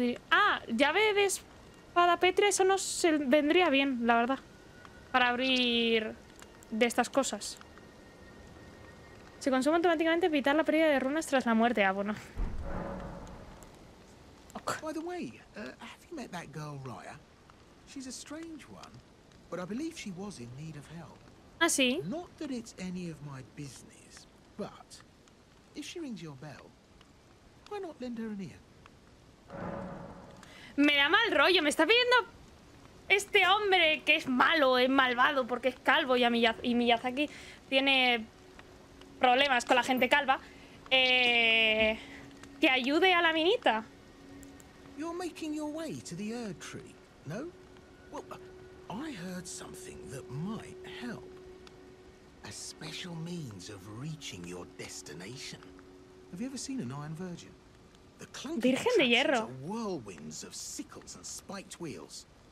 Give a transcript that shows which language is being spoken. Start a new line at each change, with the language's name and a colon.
Spanish: Ah, llave de espada pétrea. Eso nos vendría bien, la verdad. Para abrir de estas cosas. Se consume automáticamente evitar la pérdida de runas tras la muerte. Ah, bueno.
English: By the way, have you met that girl, Rhea? She's a strange one, but I believe she was in need of help.
Spanish: Ah, sí.
English: Not that it's any of my business, but if she rings your bell, why not lend her an ear?
Spanish: Me da mal rollo, me está pidiendo este hombre que es malo, es malvado porque es calvo y Miyazaki tiene problemas con la gente calva, que ayude a la minita.
English: You're making your way to the Erd Tree, no? Well, I heard something that might help. A special means of reaching your destination. Have you ever seen an Iron Virgin? The clunky
Spanish: Virgen de Hierro.
English: Are whirlwinds of sickles and spiked wheels.